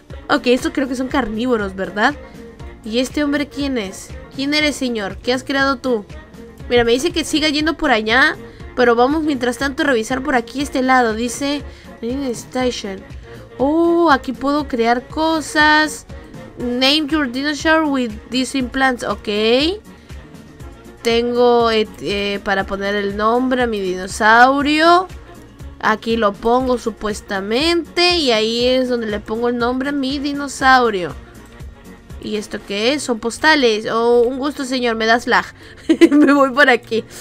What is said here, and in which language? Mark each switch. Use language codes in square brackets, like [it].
[es] Ok, estos creo que son carnívoros, ¿verdad? ¿Y este hombre quién es? ¿Quién eres, señor? ¿Qué has creado tú? Mira, me dice que siga yendo por allá. Pero vamos, mientras tanto, a revisar por aquí este lado. Dice... Station. ¡Oh, aquí puedo crear cosas! [en] Name your dinosaur with these implants. Ok... [es] Tengo para poner el nombre a mi dinosaurio. Aquí lo pongo supuestamente. Y ahí es donde le pongo el nombre a mi dinosaurio. ¿Y esto qué es? Son postales. Oh, un gusto, señor. Me das lag. Me voy por aquí.